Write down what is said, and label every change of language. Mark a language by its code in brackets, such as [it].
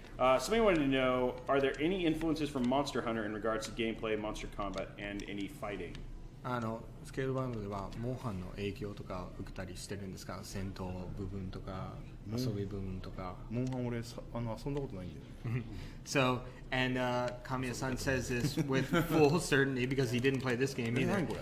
[en] Somebody wanted to know, are there any influences from Monster Hunter in regards to gameplay, monster combat, and any fighting? [ja] スケールバンドではモンハンの影響とか受けたりしてるんですか、戦闘部分とか遊び部分とか。モンハン俺遊んだことないんで。 [en] So, and Kamiya-san says this with full certainty because he didn't play this game either.